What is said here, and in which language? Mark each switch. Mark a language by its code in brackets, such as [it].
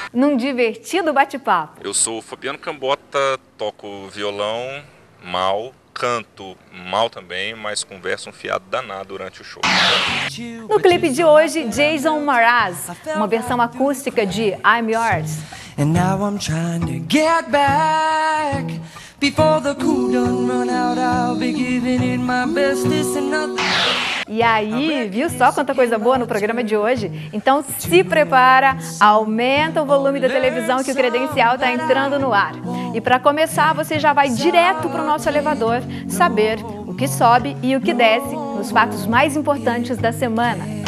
[pt] Num divertido bate-papo. Eu sou o Fabiano Cambota, toco violão mal, canto mal também, mas converso um fiado danado durante o show. No clipe de hoje, Jason Mraz, uma versão acústica de I'm Yours. [en] And now I'm trying to get back. Before the cool done run out, I'll be giving it my best. [pt] E aí, viu só quanta coisa boa no programa de hoje? Então se prepara, aumenta o volume da televisão que o credencial está entrando no ar. E para começar, você já vai direto para o nosso elevador saber o que sobe e o que desce nos fatos mais importantes da semana.